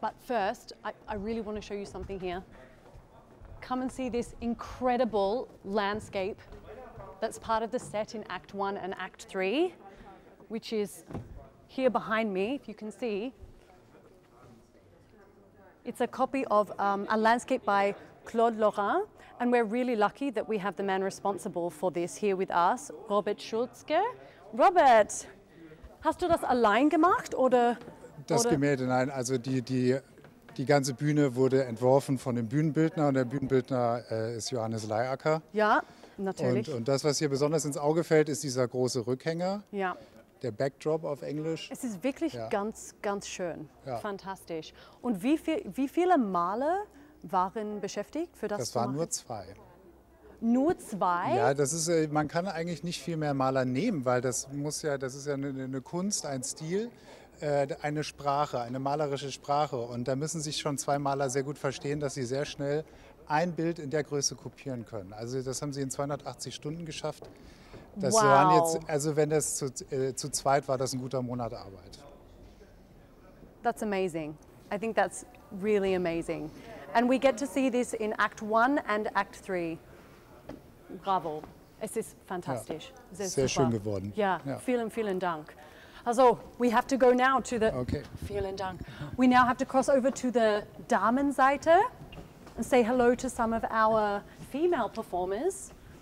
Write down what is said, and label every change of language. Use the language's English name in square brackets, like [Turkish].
[English] But first, I really want to show you something here. Come and see this incredible landscape that's part of the set in Act 1 and Act 3, which is here behind me, if you can see. It's a copy of a landscape by Claude Lorrain, and we're really lucky that we have the man responsible for this here with us, Robert Schulzke. [German] Robert, hast du das allein gemacht, oder? Das Gemälde, nein, also die ganze Bühne wurde entworfen von dem Bühnenbildner, und der Bühnenbildner ist Johannes Leiacker. Ja. Natürlich. Und das, was hier besonders ins Auge fällt, ist dieser große Rückhänger, ja. Der Backdrop auf Englisch. Es ist wirklich ja. ganz, ganz schön, ja. Fantastisch. Und wie viele Male waren beschäftigt für das? Das waren nur zwei. Nur zwei? Ja, das ist, man kann eigentlich nicht viel mehr Maler nehmen, weil das muss ja, das ist ja eine Kunst, ein Stil, eine Sprache, eine malerische Sprache. Und da müssen sich schon zwei Maler sehr gut verstehen, dass sie sehr schnell ein Bild in der Größe kopieren können. Also das haben sie in 280 Stunden geschafft. Das wow. waren jetzt, also wenn das zu zweit war, das ein guter Monat Arbeit. [English] That's amazing. I think that's really amazing. And we get to see this in Act 1 and Act 3. [German] Bravo. Es ist fantastisch. Ja, sehr schön geworden. Ja, vielen, vielen Dank. [English] Also, we have to go now to the... Okay. [German] Vielen Dank. [English] We now have to cross over to the Damenseite. And say hello to some of our female performers.